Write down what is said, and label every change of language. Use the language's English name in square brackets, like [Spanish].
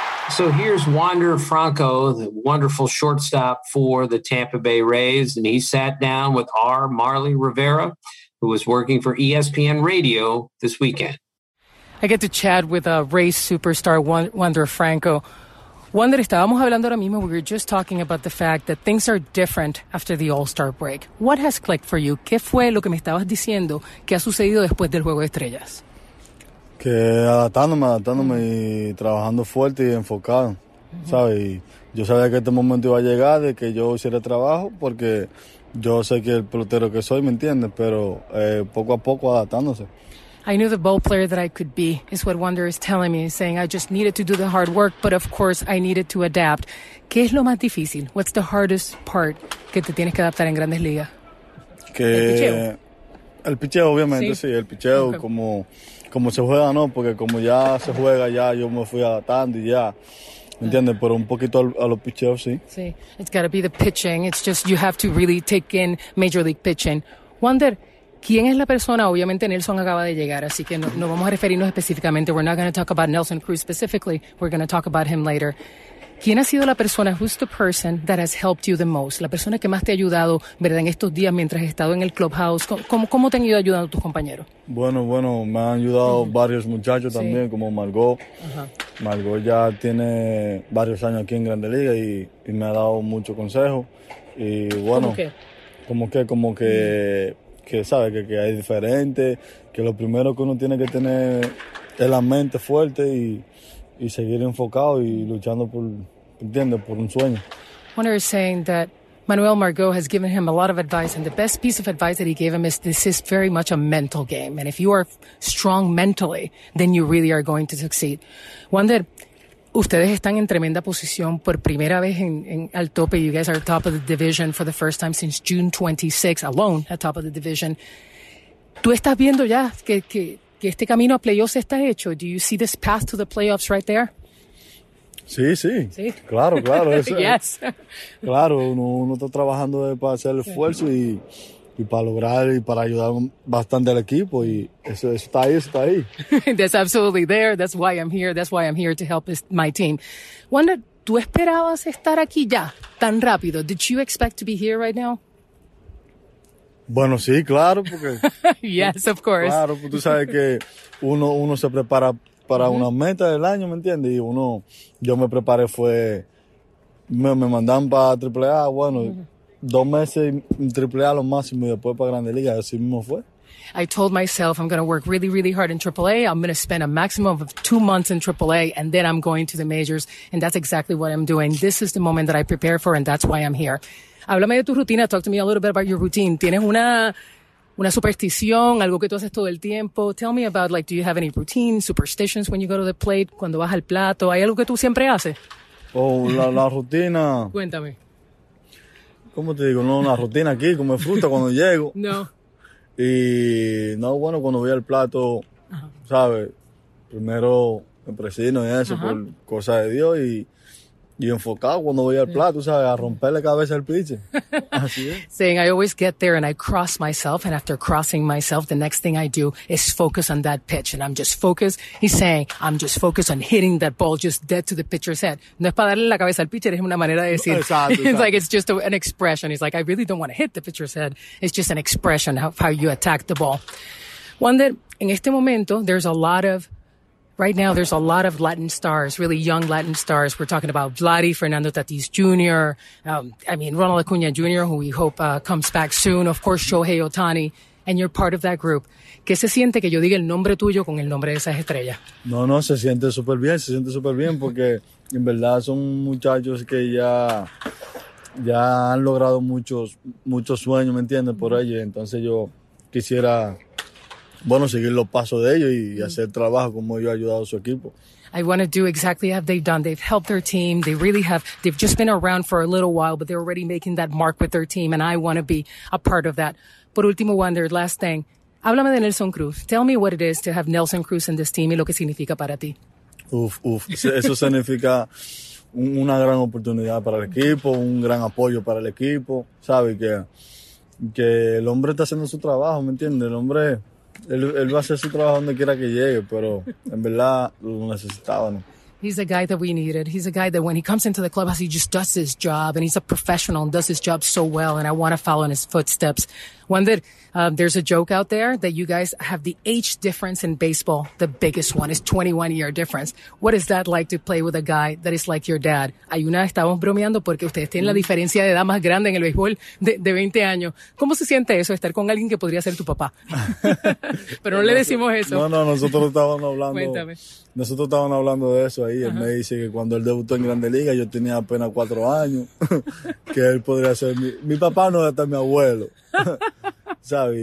[English] So here's Wander Franco, the wonderful shortstop for the Tampa Bay Rays, and he sat down with R. Marley Rivera, who was working for ESPN Radio this weekend. I get to chat with a Rays superstar, Wander Franco. Wander, [Spanish] estábamos hablando ahora mismo, [English] we were just talking about the fact that things are different after the All-Star break. What has clicked for you? [Spanish] ¿Qué fue lo que me estabas diciendo que ha sucedido después del Juego de Estrellas? Que adaptándome y trabajando fuerte y enfocado, ¿sabes? Y yo sabía que este momento iba a llegar, de que yo hiciera trabajo, porque yo sé que el pelotero que soy, ¿me entiendes? Pero poco a poco adaptándose. [English] I knew the ball player that I could be, is what Wander is telling me, saying I just needed to do the hard work, but of course I needed to adapt. [Spanish] ¿Qué es lo más difícil? [English] What's the hardest part [Spanish] que te tienes que adaptar en Grandes Ligas? Que el picheo, obviamente, sí, el picheo, okay. como se juega, ¿no? Porque como ya se juega, ya yo me fui adaptando y ya, ¿entiendes? Pero un poquito a los picheos, sí. [English] Sí, it's got to be the pitching. It's just you have to really take in Major League pitching. [Spanish] Wander, ¿quién es la persona? Obviamente Nelson acaba de llegar, así que no vamos a referirnos específicamente. [English] We're not going to talk about Nelson Cruz specifically. We're going to talk about him later. [Spanish] ¿Quién ha sido la persona, [English] who's the person that has helped you the most? [Spanish] La persona que más te ha ayudado, ¿verdad?, en estos días mientras has estado en el clubhouse. ¿Cómo te han ido ayudando tus compañeros? Bueno, me han ayudado varios muchachos también, sí, como Margot. Margot ya tiene varios años aquí en Grande Liga y me ha dado mucho consejo. Y bueno, ¿Cómo que? Que sabe que hay diferente, que lo primero que uno tiene que tener es la mente fuerte y seguir enfocado y luchando por, ¿entiendes?, por un sueño. [English] Wander is saying that Manuel Margot has given him a lot of advice, and the best piece of advice that he gave him is this is very much a mental game, and if you are strong mentally, then you really are going to succeed. [Spanish] Wander, ustedes están en tremenda posición por primera vez en al tope. [English] You guys are top of the division for the first time since June 26, alone at top of the division. [Spanish] ¿Tú estás viendo ya que este camino a playoffs está hecho? [English] Do you see this path to the playoffs right there? [Spanish] Sí, sí. Sí. Claro. [English] Yes. [Spanish] Claro, uno está trabajando para hacer el esfuerzo y para lograr y para ayudar bastante al equipo, y eso está ahí. [English] That's absolutely there. That's why I'm here. That's why I'm here to help my team. [Spanish] Wander, ¿tú esperabas estar aquí ya tan rápido? [English] Did you expect to be here right now? [Spanish] Bueno, sí, claro, porque [English] yes, of course. [Spanish] Claro, pues tú sabes que uno se prepara para una meta del año, ¿me entiendes? Y yo me preparé, me mandaron para AAA, bueno, dos meses en AAA lo máximo y después para Grande Liga, así mismo fue. [English] I told myself I'm going to work really, really hard in AAA. I'm going to spend a maximum of 2 months in AAA, and then I'm going to the majors, and that's exactly what I'm doing. This is the moment that I prepare for, and that's why I'm here. [Spanish] Háblame de tu rutina. [English] Talk to me a little bit about your routine. [Spanish] ¿Tienes una superstición, algo que tú haces todo el tiempo? [English] Tell me about, like, do you have any routine, superstitions when you go to the plate, [Spanish] cuando vas al plato? ¿Hay algo que tú siempre haces? Oh, la rutina. Cuéntame. ¿Cómo te digo? No, una rutina aquí, comer fruta cuando llego. No. Y, no, bueno, cuando voy al plato, ¿sabes? Primero me presino y eso, por cosas de Dios, y enfocado cuando voy al plato, ¿sabes? A romperle cabeza al piche. Así es. [English] Saying, I always get there and I cross myself, and after crossing myself, the next thing I do is focus on that pitch, and I'm just focused. He's saying, I'm just focused on hitting that ball just dead to the pitcher's head. [Spanish] No es para darle la cabeza al pitcher, es una manera de decir. Exacto. [English] It's like, it's just an expression. He's like, I really don't want to hit the pitcher's head. It's just an expression of how you attack the ball. Wander, [Spanish] en este momento, [English] there's a lot of Right now, there's a lot of Latin stars, really young Latin stars. We're talking about Vladdy, Fernando Tatis Jr., Ronald Acuña Jr., who we hope comes back soon. Of course, Shohei Ohtani, and you're part of that group. [Spanish] ¿Qué se siente que yo diga el nombre tuyo con el nombre de esas estrellas? No, se siente súper bien, porque en verdad son muchachos que ya han logrado muchos sueños, ¿me entiendes? Por ello, entonces yo quisiera... Bueno, seguir los pasos de ellos y hacer trabajo como ellos han ayudado a su equipo. [English] I want to do exactly what they've done. They've helped their team. They really have. They've just been around for a little while, but they're already making that mark with their team, and I want to be a part of that. [Spanish] Por último, [English] Wander, last thing. [Spanish] Háblame de Nelson Cruz. [English] Tell me what it is to have Nelson Cruz in this team [Spanish] y lo que significa para ti. Uf. Eso significa una gran oportunidad para el equipo, un gran apoyo para el equipo. ¿Sabe? Que el hombre está haciendo su trabajo, ¿me entiendes? El hombre... Él va a hacer su trabajo donde quiera que llegue, pero en verdad lo necesitaba, ¿no? [English] He's a guy that we needed. He's a guy that when he comes into the clubhouse, he just does his job, and he's a professional and does his job so well, and I want to follow in his footsteps. Wander, there's a joke out there that you guys have the age difference in baseball. The biggest one is 21-year difference. What is that like to play with a guy that is like your dad? [Spanish] Ayuna, estamos bromeando porque ustedes tienen la diferencia de edad más grande en el béisbol de 20 años. ¿Cómo se siente eso, estar con alguien que podría ser tu papá? Pero no le decimos eso. No, nosotros estábamos hablando. Cuéntame. Nosotros estábamos hablando de eso ahí. Uh-huh. Él me dice que cuando él debutó en Grandes Ligas, yo tenía apenas 4 años, que él podría ser mi papá, no debe estar mi abuelo. ¿Sabe?